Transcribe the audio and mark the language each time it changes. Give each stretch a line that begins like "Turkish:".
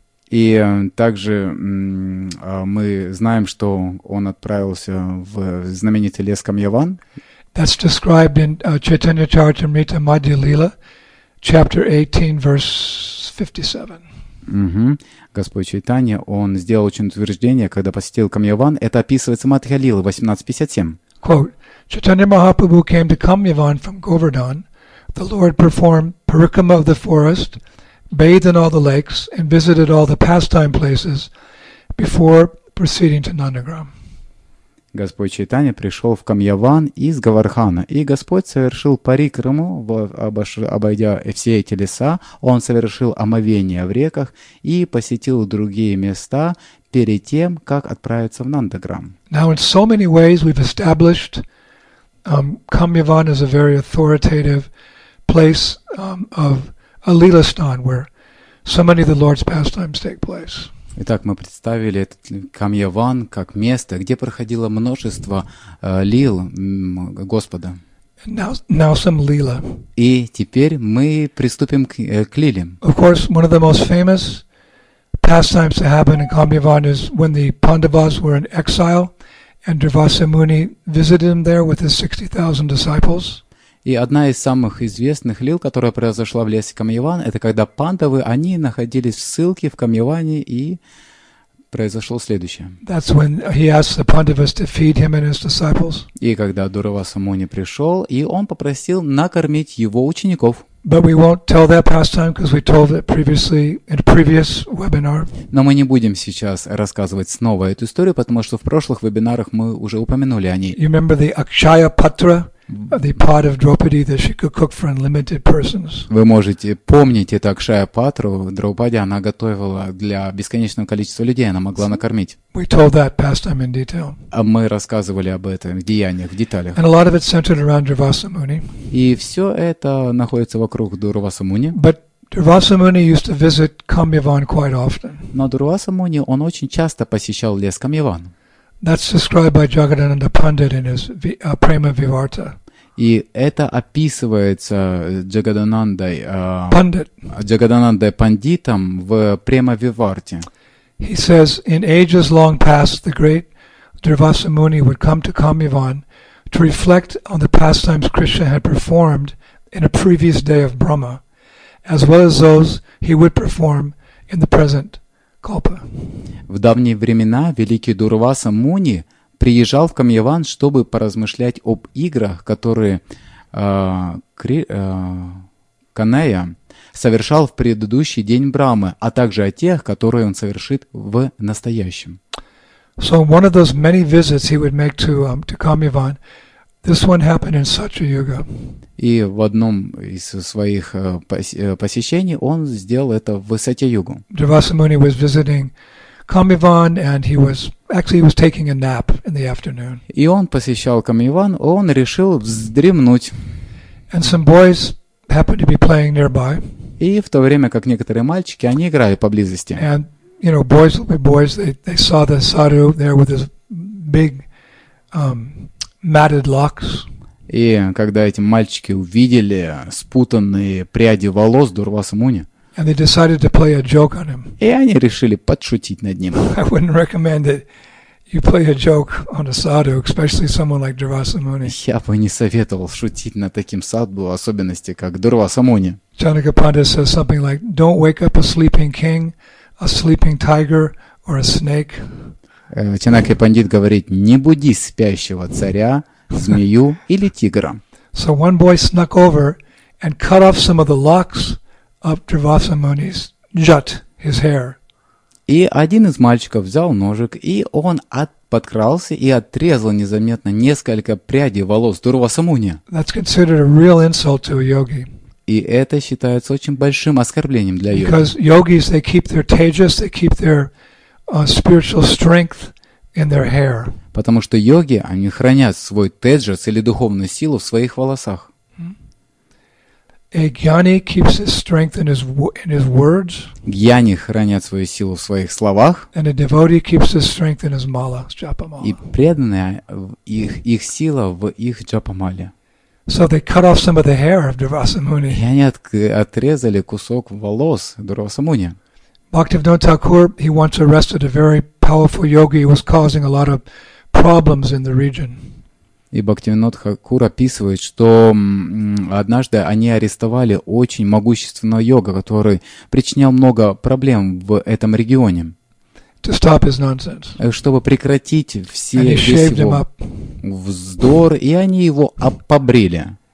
Russian: И также мы знаем, что он отправился в знаменитый лес Камьяван.
English: That's described in Chaitanya Charitamrita Madhya Lila, chapter 18, verse 57.
Russian: Угу. Господь Чайтанья, он сделал очень утверждение, когда посетил Камьяван. Это описывается Мадхья Лила, 18:57.
English: Quote, Chaitanya Mahaprabhu came to Kamyavan from Govardhan. The Lord performed parikrama of the forest, bathed in all the lakes, and visited all the pastime places before proceeding to Nandagram.
Russian: Господь Чайтанья пришел в Камьяван из Говардхана, и Господь совершил парикраму, обойдя все эти леса, он совершил омовение в реках и посетил другие места перед тем, как отправиться в Нандаграм.
English: Now in so many ways we've established Kamyavan as a very authoritative place of a lila stan, where so many of the Lord's pastimes take place.
Russian: Итак, мы представили этот Камьяван как место, где проходило множество лил Господа.
English: Now some lila.
Russian: И теперь мы приступим к лилам.
English: Of course, one of the most famous pastimes to happen in Kamyavan is when the Pandavas were in exile and Durvasamuni visited them there with his 60,000 disciples.
Russian: И одна из самых известных лил, которая произошла в лесе Камьяван, это когда пандавы, они находились в ссылке в Камьяване, и произошло следующее.
English: That's when he asked the Pandavas to feed him and his disciples.
Russian: И когда Дурвасамуни пришел, и он попросил накормить его учеников.
English: But we won't tell that pastime because we told it previously in a previous webinar.
Russian: Но мы не будем сейчас рассказывать снова эту историю, потому что в прошлых вебинарах мы уже упомянули о ней.
English: You remember the Akshaya Patra, the pot of Draupadi that she could cook for unlimited persons.
Russian: Вы можете помнить эту Акшая Патру Драупади, она готовила для бесконечного количества людей, она могла накормить.
English: We told that pastime in detail.
Russian: А мы рассказывали об этом в деяниях, в деталях.
English: And a lot of it centered around Durvasamuni.
Russian: И все это находится вокруг Дурвасамуни.
English: But Durvasamuni used to visit Kamyavan quite often.
Russian: Но Дурвасамуни, он очень часто посещал лес Камьяван.
English: That's described by Jagadananda Pandit in his Prema Vivarta.
Russian: И это описывается Джагадананды Пандит. Джагадананды Пандитом в Према Виварте.
English: He says, in ages long past, the great Durvasamuni would come to Kamyavan to reflect on the pastimes Krishna had performed in a previous day of Brahma, as well as those he would perform in the present.
Russian: В давние времена великий Дурваса Муни приезжал в Камьяван, чтобы поразмышлять об играх, которые Канея совершал в предыдущий день Брамы, а также о тех, которые он совершит в настоящем.
English: So one of those many visits he would make to Kamyavan, this one happened in Satya Yuga.
Russian: И в одном из своих посещений он сделал это в Сатья Югу.
English: Durvasamuni was visiting Kamyavan, and he was taking a nap in the afternoon.
Russian: И он посещал Камьяван, он решил вздремнуть.
English: And some boys happened to be playing nearby.
Russian: И в то время, как некоторые мальчики, они играли поблизости.
English: And you know, boys will be boys. They saw the sadhu there with his big matted locks.
Russian: И когда эти мальчики увидели спутанные пряди волос Дурвасамуни,
English: and they decided to play a joke on him.
Russian: И они решили подшутить над ним.
English: I wouldn't recommend it. You play a joke on a sadhu, especially someone like Durvasamuni.
Russian: Я бы не советовал шутить над таким садху, в особенности как Дурвасамуни.
English: Chanaka Pandit says something like, "Don't wake up a sleeping king, a sleeping tiger, or a snake."
Russian: Чанакья Пандит говорит, не буди спящего царя, змею или тигра.
English: So one boy snuck over and cut off some of the locks of Durvasamuni's jut, his hair.
Russian: И один из мальчиков взял ножик, и он подкрался и отрезал незаметно несколько прядей волос Дурвасамуни.
English: That's considered a real insult to a yogi.
Russian: И это считается очень большим оскорблением для йоги.
English: Because yogis, they keep their tejas, they keep their spiritual strength in their hair.
Russian: Потому что йоги, они хранят свой теджас или духовную силу в своих волосах.
English: A gyani keeps his strength in his words.
Russian: Гьяни хранят свою силу в своих словах.
English: And a devotee keeps his strength in his mala, japamala.
Russian: И преданная их сила в их джапамале.
English: So they cut off some of the hair of Durvasamuni.
Russian: И они отрезали кусок волос Дурвасамуни.
English: Bhaktivinoda Thakur, he once arrested a very powerful yogi who was causing a lot of problems in the region.
Russian: И Бхактивинода Тхакур описывает, что однажды они арестовали очень могущественного йога, который причинял много проблем в этом регионе.
English: To stop his nonsense.
Russian: Чтобы прекратить все его вздор, и они его обобрили.